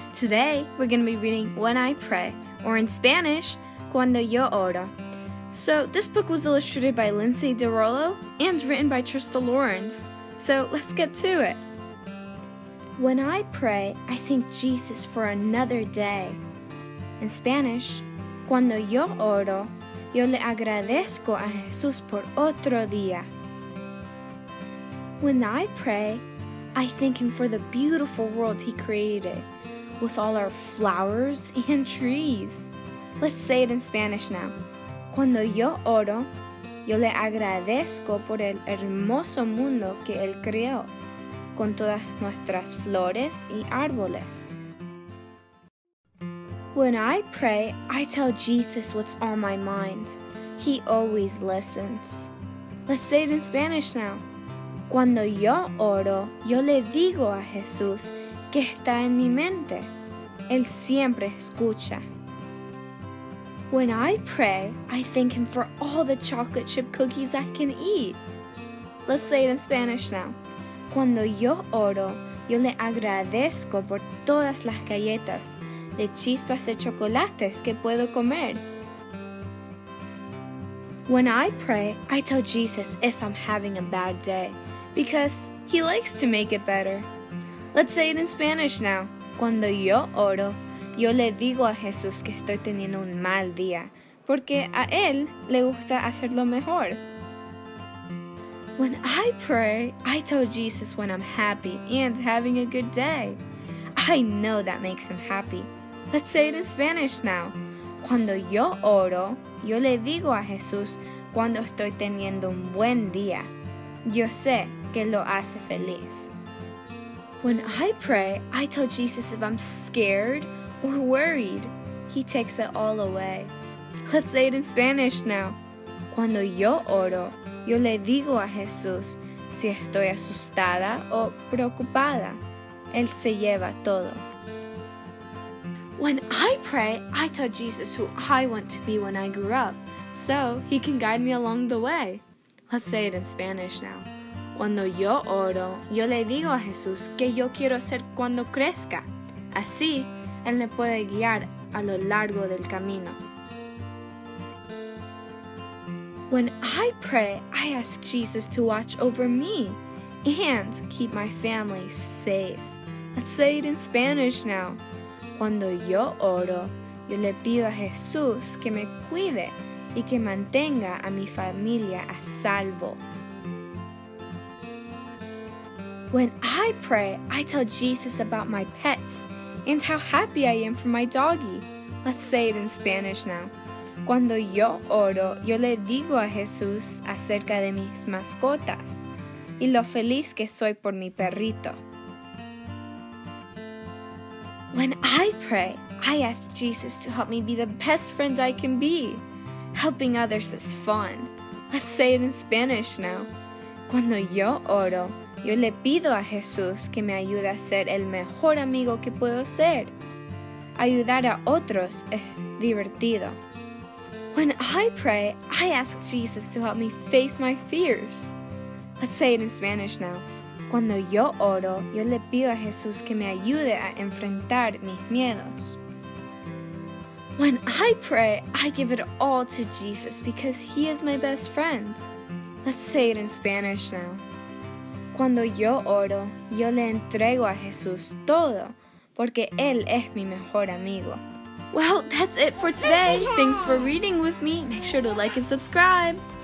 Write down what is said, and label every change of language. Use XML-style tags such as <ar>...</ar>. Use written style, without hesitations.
<en>Today, we're going to be reading When I Pray, or in Spanish, Cuando Yo Oro. So, this book was illustrated by Lindsay Derollo and written by Trista Lawrence. So, let's get to it. When I pray, I thank Jesus for another day. In Spanish,</en> <es>Cuando yo oro, yo le agradezco a Jesús por otro día.</es> <en>When I pray, I thank him for the beautiful world he created, with all our flowers and trees. Let's say it in Spanish now.</en> <es>Cuando yo oro, yo le agradezco por el hermoso mundo que él creó, con todas nuestras flores y árboles.</es> <en>When I pray, I tell Jesus what's on my mind. He always listens. Let's say it in Spanish now.</en> <es>Cuando yo oro, yo le digo a Jesús que está en mi mente. Él siempre escucha.</es> <en>When I pray, I thank him for all the chocolate chip cookies I can eat. Let's say it in Spanish now.</en> <es>Cuando yo oro, yo le agradezco por todas las galletas de chispas de chocolates que puedo comer.</es> <en>When I pray, I tell Jesus if I'm having a bad day, because he likes to make it better. Let's say it in Spanish now.</en> <es>Cuando yo oro, yo le digo a Jesús que estoy teniendo un mal día, porque a él le gusta hacerlo mejor.</es> <en>When I pray, I tell Jesus when I'm happy and having a good day. I know that makes him happy. Let's say it in Spanish now.</en> <es>Cuando yo oro, yo le digo a Jesús cuando estoy teniendo un buen día. Yo sé que lo hace feliz.</es> <en>When I pray, I tell Jesus if I'm scared or worried. He takes it all away. Let's say it in Spanish now.</en> <es>Cuando yo oro, yo le digo a Jesús si estoy asustada o preocupada. Él se lleva todo.</es> <en>When I pray, I tell Jesus who I want to be when I grew up, so he can guide me along the way. Let's say it in Spanish now.</en> <es>Cuando yo oro, yo le digo a Jesús que yo quiero ser cuando crezca. Así, él me puede guiar a lo largo del camino.</es> <en>When I pray, I ask Jesus to watch over me and keep my family safe. Let's say it in Spanish now.</en> <es>Cuando yo oro, yo le pido a Jesús que me cuide y que mantenga a mi familia a salvo.</es> <en>When I pray, I tell Jesus about my pets and how happy I am for my doggy. Let's say it in Spanish now.</en> <es>Cuando yo oro, yo le digo a Jesús acerca de mis mascotas y lo feliz que soy por mi perrito.</es> <en>When I pray, I ask Jesus to help me be the best friend I can be. Helping others is fun. Let's say it in Spanish now.</en> <es>Cuando yo oro, yo le pido a Jesús que me ayude a ser el mejor amigo que puedo ser. Ayudar a otros es divertido.</es> <en>When I pray, I ask Jesus to help me face my fears. Let's say it in Spanish now.</en> <es>Cuando yo oro, yo le pido a Jesús que me ayude a enfrentar mis miedos.</es> <en>When I pray, I give it all to Jesus because he is my best friend. Let's say it in Spanish now.</en> <es>Cuando yo oro, yo le entrego a Jesús todo porque él es mi mejor amigo.</es> <en>Well, that's it for today. Thanks for reading with me. Make sure to like and subscribe.</en>